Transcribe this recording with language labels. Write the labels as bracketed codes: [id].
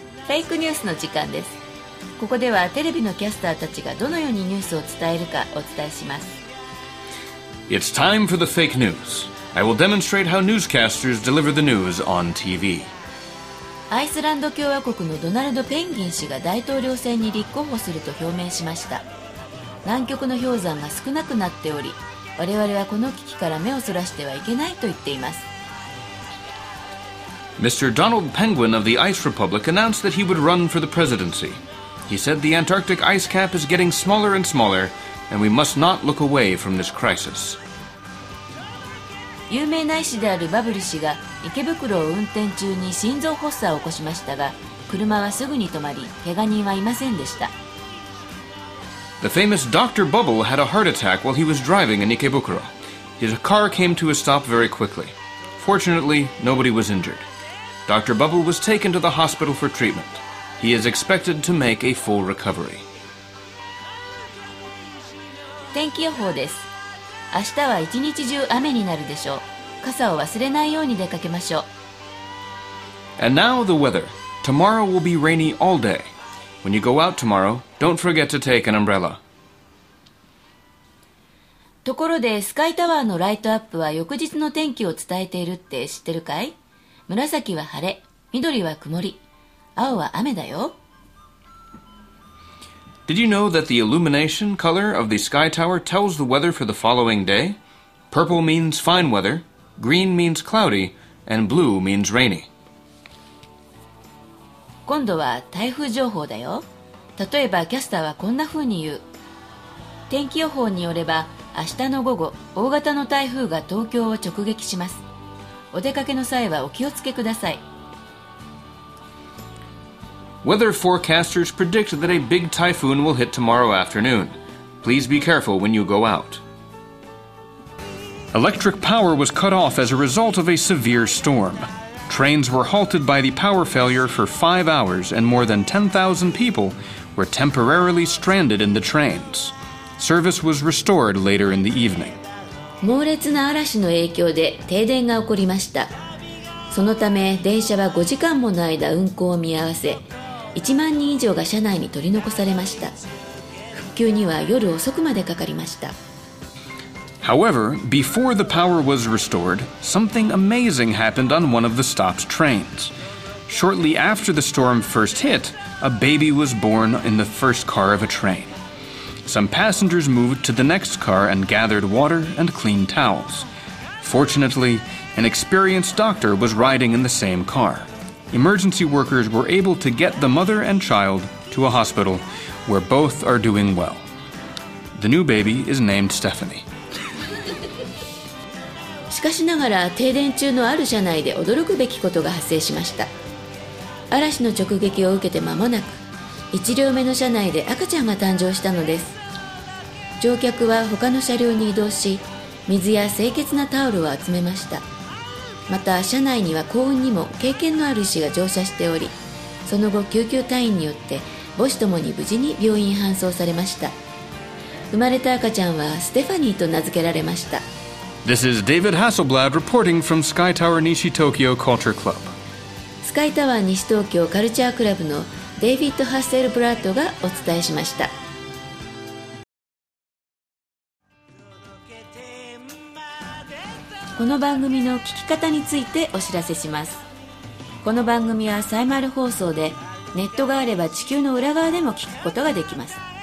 [ja] フェイクニュースの時間です。ここではテレビのキャスターたちがどのようにニュースを伝えるかお伝えします。 [en] It's time for the fake news. I will demonstrate how newscasters deliver the news on TV. [ja] アイスランド共和国のドナルド・ペンギン氏が大統領選に立候補すると表明しました。南極の氷山が少なくなっており、我々はこの危機から目をそらしてはいけないと言っています。 [en] Mr. Donald Penguin of the Ice Republic announced that he would run for the presidency. He said the Antarctic ice cap is getting smaller and smaller, and we must not look away from this crisis. [ja] 有名な医師であるバブル氏が池袋を運転中に心臓発作を起こしましたが、車はすぐに止まり、怪我人はいませんでした。 [en] The famous Dr. Bubble had a heart attack while he was driving in Ikebukuro. His car came to a stop very quickly. Fortunately, nobody was injured. Dr. Bubble was taken to the hospital for treatment. He is expected to make a full recovery. [ja] 天気予報です。明日は一日中雨になるでしょう。傘を忘れないように出かけましょう。 [en] And now the weather. Tomorrow will be rainy all day. When you go out tomorrow, don't forget to take an umbrella. [ja] ところで、スカイタワーのライトアップは翌日の天気を伝えているって知ってるかい? 紫は晴れ、緑は曇り、青は雨だよ。 [en] Did you know that the illumination color of the sky tower tells the weather for the following day? Purple means fine weather, green means cloudy, and blue means rainy. [ja] 今度は台風情報だよ。例えばキャスターはこんな風に言う。天気予報によれば、明日の午後、大型の台風が東京を直撃します。お出かけの際はお気をつけください。 [en] Weather forecasters predict that a big typhoon will hit tomorrow afternoon. Please be careful when you go out. Electric power was cut off as a result of a severe storm. Trains were halted by the power failure for 5 hours and more than 10,000 people were temporarily stranded in the trains. Service was restored later in the evening. [ja] 猛烈な嵐の影響で停電が起こりました。そのため電車は5時間もの間運行を見合わせ、1万人以上が車内に取り残されました。復旧には夜遅くまでかかりました。 [en] However, before the power was restored, something amazing happened on one of the stopped trains. Shortly after the storm first hit, a baby was born in the first car of a train. Some passengers moved to the next car and gathered water and clean towels. Fortunately, an experienced doctor was riding in the same car. emergency workers were able to get the mother and child to a hospital where both are doing well. The new baby is named Stephanie. [ja] しかしながら停電中のある車内で驚くべきことが発生しました。嵐の直撃を受けて間もなく、1両目の車内で赤ちゃんが誕生したのです。乗客は他の車両に移動し、水や清潔なタオルを集めました。また車内には幸運にも経験のある医師が乗車しており、その後救急隊員によって母子ともに無事に病院搬送されました。生まれた赤ちゃんはステファニーと名付けられました。 [en] This is David Hasselblad reporting from Sky Tower Nishi Tokyo Culture Club. [ja] スカイタワー西東京カルチャークラブのデイビッド・ハッセルブラッドがお伝えしました。この番組の聞き方についてお知らせします。この番組はサイマル放送で、ネットがあれば地球の裏側でも聞くことができます。